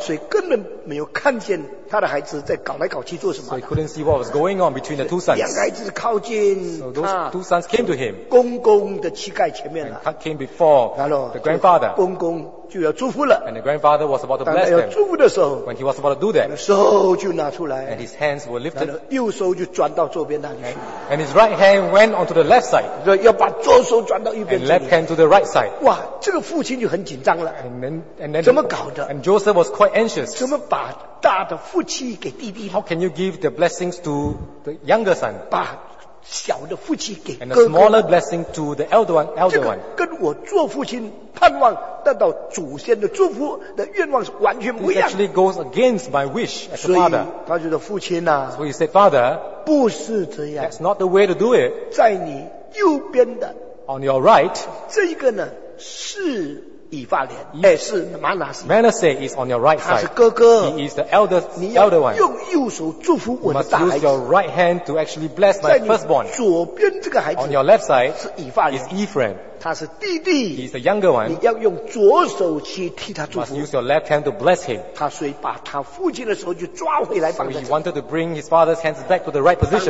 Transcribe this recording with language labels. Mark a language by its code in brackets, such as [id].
[zh] 所以根本没有看见他的孩子在搞来搞去做什么。 [en] So he couldn't see what was going on between the two sons. [zh] 两个孩子靠近他。 [en] So those two sons came to him. [zh] 公公的膝盖前面了。 [en] And came before the grandfather. [zh] 公公就要祝福了。 [en] And the grandfather was about to bless them. [zh] 当他要祝福的时候。 [en] When he was about to do that. [zh] 手就拿出来。 [en] And his hands were lifted. [zh] 右手就转到左边那里去。 [en] And his right hand went onto the left side. [zh] 要把左手转到右边去。 [en] And left hand to the right side. [zh] 哇，这个父亲就很紧张了。 [en] And then, [zh] 怎么搞的？ [en] And Joseph was quite anxious. [zh] 怎么把大的福气给弟弟？ [en] How can you give the blessings to the younger son? [zh] 把小的福气给哥哥。 [en] And a smaller blessing to the elder one. [zh] 这个跟我做父亲盼望得到祖先的祝福的愿望是完全不一样。 [en] It actually goes against my wish as a father. [zh] 所以他就说父亲啊。 [en] So he said, Father, [zh] 不是这样。 [en] That's not the way to do it. [zh] 在你右边的。 [en] On your right. [zh] 这个呢是以法莲，是玛拿西。 [en] Manasseh is on your right side. [zh] 他是哥哥。 [en] He is the elder one. [zh] 你要用右手祝福我的大孩子。 [en] You must use your right hand to actually bless my firstborn. [zh] 在你左边这个孩子。 [en] On your left side. [zh] 是以法莲。 [en] Is Ephraim. [zh] 他是弟弟。 [en] He is the younger one. [zh] 你要用左手去替他祝福。 [en] Must use your left hand to bless him. [zh] 他所以把他父亲的手就抓回来放在这里。 [en] So he wanted to bring his father's hands back to the right position.